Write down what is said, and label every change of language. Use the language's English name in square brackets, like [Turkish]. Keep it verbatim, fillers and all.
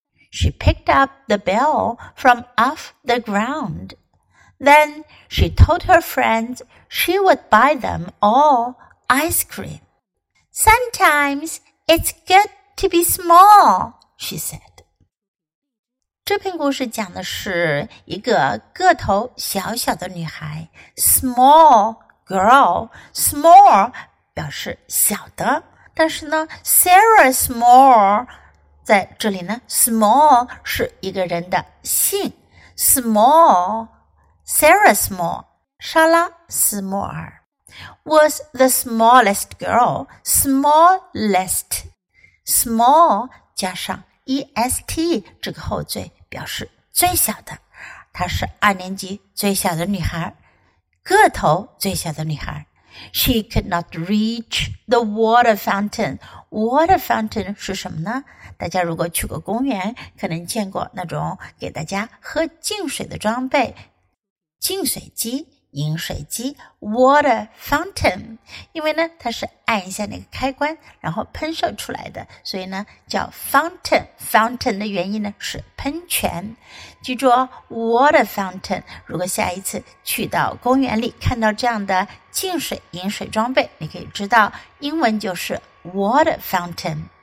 [English] She picked up the bill from off the ground. Then she told her friends she would buy them all ice cream. Sometimes it's good to be small, she said. [Chinese] 这篇故事讲的是一个个头小小的女孩 , [English] small girl, small [Chinese] 表示小的。但是呢 ,Sarah Small 在这里呢 ,small 是一个人的姓 ,small, Sarah Small, 莎拉斯莫尔。 [English] Was the smallest girl, smallest, [Chinese] small 加上 est 这个后缀表示最小的，她是二年级最小的女孩，个头最小的女孩。 [English] She could not reach the water fountain. [Chinese] Water fountain 是什么呢？大家如果去过公园，可能见过那种给大家喝净水的装备，净水机。饮水机 water fountain 因为呢它是按一下那个开关然后喷射出来的所以呢叫 fountain fountain 的原因呢是喷泉记住哦 water fountain 如果下一次去到公园里看到这样的净水饮水装备你可以知道英文就是 water fountain